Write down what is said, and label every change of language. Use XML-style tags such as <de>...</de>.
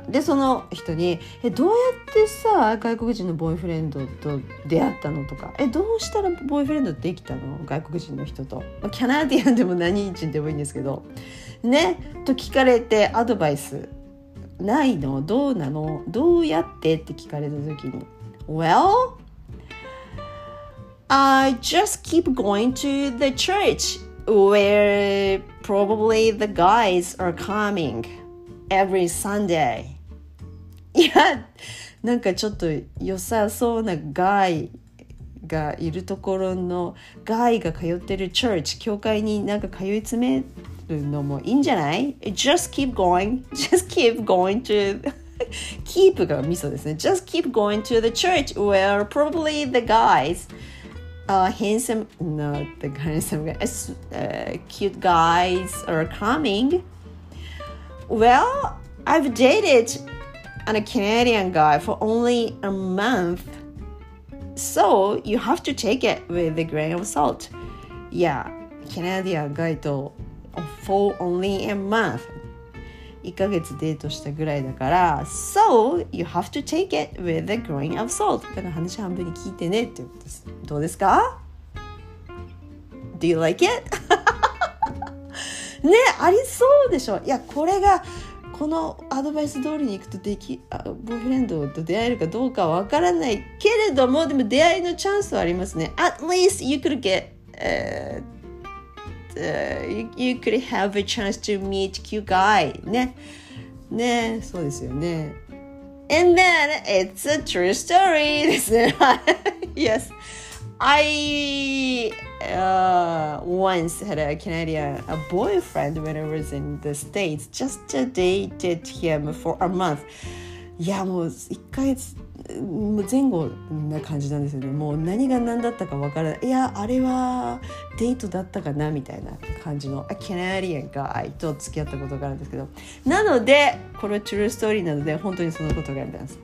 <ja>で、その人に、どうやってさ、外国人のボーイフレンドと出会ったのとか、どうしたらボーイフレンドできたの、外国人の人と。キャナディアンでも何人でもいいんですけど。ね、と聞かれて、アドバイス。ないの？どうなの？どうやってって聞かれた時に。</ja> <en>Well? I just keep going to the church where probably the guys are coming every Sunday.</en> <ja>いや、なんかちょっと良さそうなガイがいるところの、ガイが通ってるチャーチ、教会になんか通い詰めるのもいいんじゃない？</ja> <en>Just keep going to... keep</en> <ja>がミソですね。</ja> <en>Just keep going to the church where probably the guys... cute guys are coming. Well, I've dated a Canadian guy for only a month. So you have to take it with a grain of salt. Yeah, Canadian guy と for only a month.</en> <ja>1ヶ月デートしたぐらいだから</ja> <en>So you have to take it with a grain of salt.</en> <ja>だから話半分に聞いてねっていうことです。どうですか？</ja> <en>Do you like it?</en> <ja>ね、ありそうでしょ。いや、これがこのアドバイス通りにいくとボーイフレンドと出会えるかどうかわからないけれども、でも出会いのチャンスはありますね。</ja> <en>At least you could get have a chance to meet cute guy.</en> <ja>ね、ね、そうですよね。</ja> <en>And then it's a true story</en> <ja>ですね。</ja> <en>Yes. I once had a Canadian a boyfriend when I was in the States. Just dated him for a month.</en> <ja>いや、もう一ヶ月前後な感じなんですよね。もう何が何だったかわからない。いや、あれはデートだったかなみたいな感じの</ja> <en>a Canadian guy</en> <ja>と付き合ったことがあるんですけど。なので、これは</ja> <en>true story</en> <ja>なので、本当にそのことがあります。</ja>